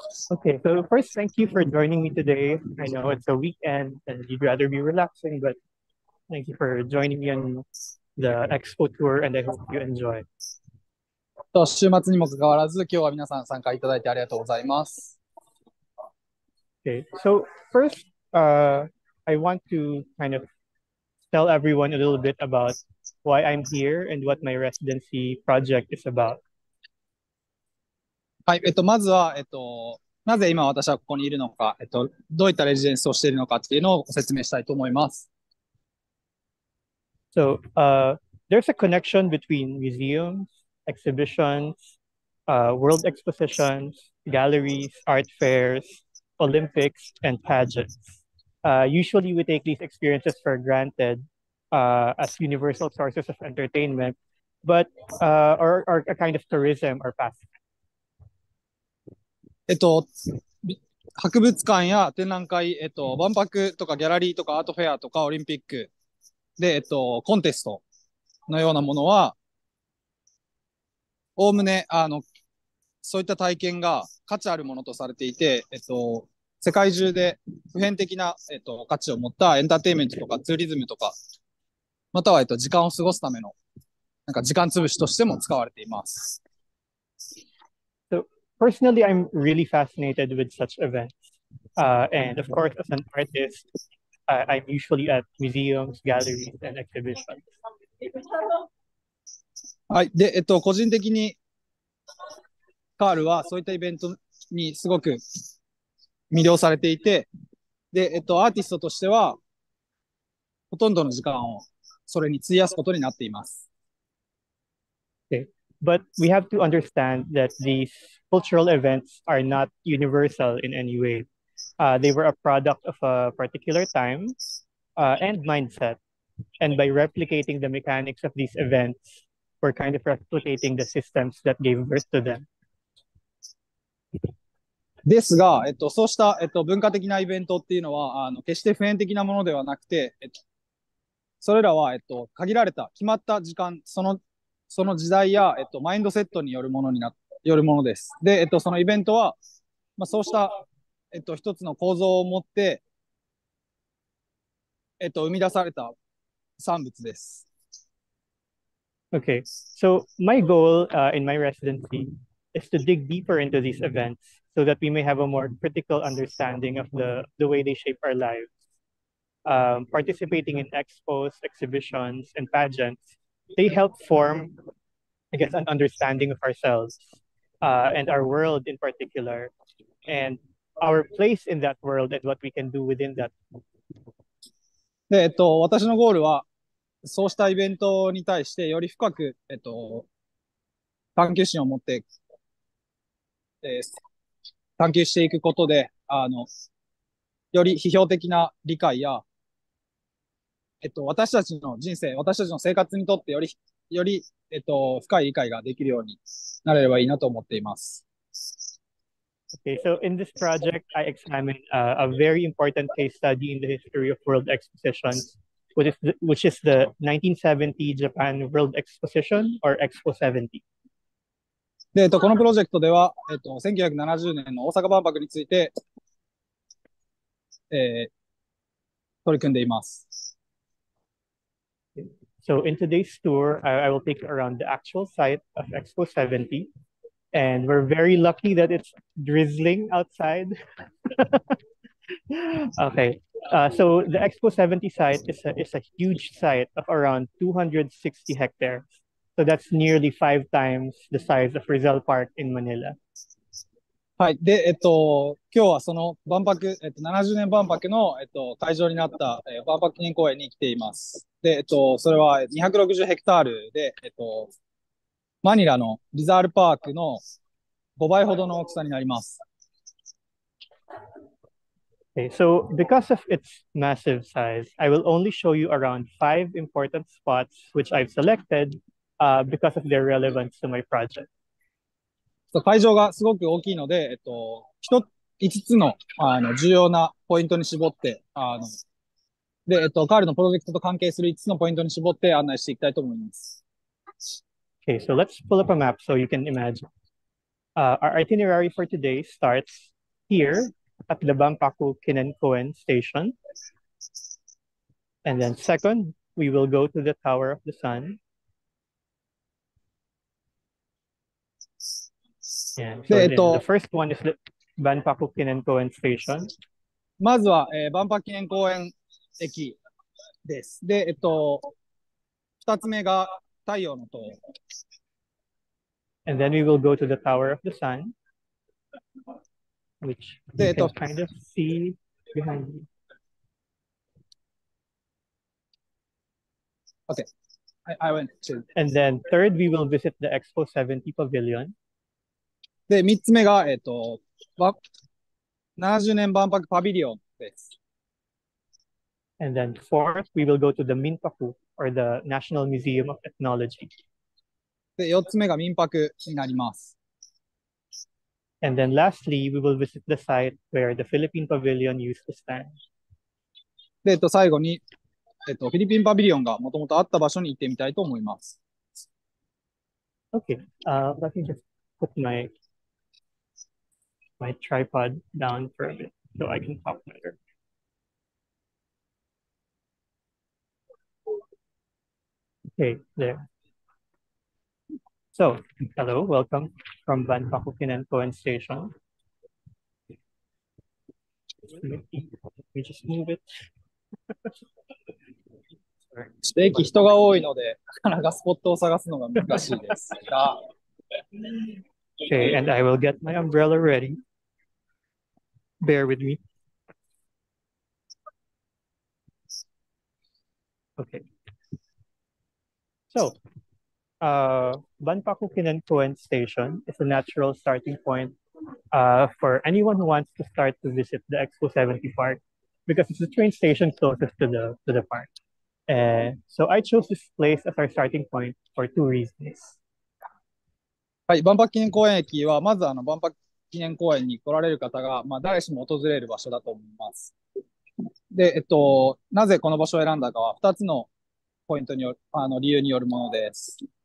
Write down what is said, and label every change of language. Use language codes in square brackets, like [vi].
[en] Okay, so first, thank you for joining me today. I know it's a weekend and you'd rather be relaxing, but thank you for joining me on the expo tour, and I hope you enjoy. [ja] と週末にもかかわらず、今日は皆さん参加いただいてありがとうございます。 [en] Okay, so first, I want to kind of tell everyone a little bit about why I'm here and what my residency project is about. [ja] はい、まずは、なぜ今私はここにいるのか、どういったレジデンスをしているのかっていうのを説明したいと思います。 [en] So, there's a connection between museums, exhibitions, world expositions, galleries, art fairs, Olympics, and pageants. Usually we take these experiences for granted, as universal sources of entertainment, but, or a kind of tourism or pastime. [ja] 博物館や展覧会、万博とかギャラリーとかアートフェアとかオリンピックで、コンテストのようなものは、おおむね、そういった体験が価値あるものとされていて、世界中で普遍的な、価値を持ったエンターテインメントとかツーリズムとか、または、時間を過ごすための、なんか時間つぶしとしても使われています。 [en] Personally, I'm really fascinated with such events. And of course, as an artist, I'm usually at museums, galleries, and exhibitions. [ja] はい。で、個人的に、カールはそういったイベントにすごく魅了されていて、で、アーティストとしては、ほとんどの時間をそれに費やすことになっています。 [en] Okay. But we have to understand that these cultural events are not universal in any way. They were a product of a particular time, and mindset. And by replicating the mechanics of these events, we're kind of replicating the systems that gave birth to them. [ja] ですが、そうした、文化的なイベントっていうのは、決して普遍的なものではなくて、それらは、限られた、決まった時間、その時代や、マインドセットによるものになって、よるものです。で、そのイベントは、まあ、そうした、一つの構造を持って、生み出された産物です。 [en] Okay, so my goal, in my residency is to dig deeper into these events so that we may have a more critical understanding of the way they shape our lives. Participating in expos, exhibitions, and pageants, they help form, I guess, an understanding of ourselves. And our world in particular, and our place in that world, and what we can do within that. [ja] で、私のゴールは、そうしたイベントに対してより深く、探求心を持って、探求していくことで、より批評的な理解や、私たちの人生、私たちの生活にとってより深い理解ができるようになれればいいなと思っています。 [en] Okay, so in this project, I examine a very important case study in the history of world expositions, which is the 1970 Japan World Exposition, or Expo 70. [ja] で、このプロジェクトでは、1970年の大阪万博について、取り組んでいます。 [en] So in today's tour, I will take you around the actual site of Expo 70. And we're very lucky that it's drizzling outside. Okay. So the Expo 70 site is a huge site of around 260 hectares. So that's nearly five times the size of Rizal Park in Manila. [ja] はい。で、今日はその万博、70年万博の、会場になった、万博記念公園に来ています。で、それは260ヘクタールで、マニラのリザールパークの5倍ほどの大きさになります。 [en] Okay, so because of its massive size, I will only show you around 5 important spots which I've selected, because of their relevance to my project. [ja] 会場がすごく大きいので、5つ の, 重要なポイントに絞って、で、カールのプロジェクトと関係する5つのポイントに絞って案内していきたいと思います。 [en] Okay, so let's pull up a map so you can imagine. our itinerary for today starts here at the Banpaku-kinenkōen Station. And then second, we will go to the Tower of the Sun. Yeah, so the first one is the Banpaku-kinenkōen Station. [ja] まずは、Banpaku-kinenkōen 駅です。で、二つ目が太陽の塔。 [en] And then we will go to the Tower of the Sun, which you can kind of see behind me. Okay, I went to. And then third, we will visit the Expo 70 Pavilion. [ja] で、三つ目が、70年万博パビリオンです。 [en] And then fourth, we will go to the Minpaku, or the National Museum of Ethnology. [ja] で、四つ目が Minpaku になります。 [en] And then lastly, we will visit the site where the Philippine Pavilion used to stand. [ja] で、最後に、フィリピンパビリオンがもともとあった場所に行ってみたいと思います。 [en] Okay, let me just put my tripod down for a bit so I can talk better. Okay, there. So, hello, welcome from Banpaku-kinenkōen Station. Let me just move it. [ja] ステーキ人が多いので、なかなかスポットを探すのが難しいですが。 [en] Okay, and I will get my umbrella ready. Bear with me. Okay. So, Banpaku-kinenkōen Station is a natural starting point for anyone who wants to start to visit the Expo 70 Park because it's the train station closest to the park. So I chose this place as our starting point for two reasons. [ja] はい、万博記念公園駅はまず万博記念公園に来られる方が、まあ、誰しも訪れる場所だと思います。で、なぜこの場所を選んだかは2つのポイントによる理由によるものです。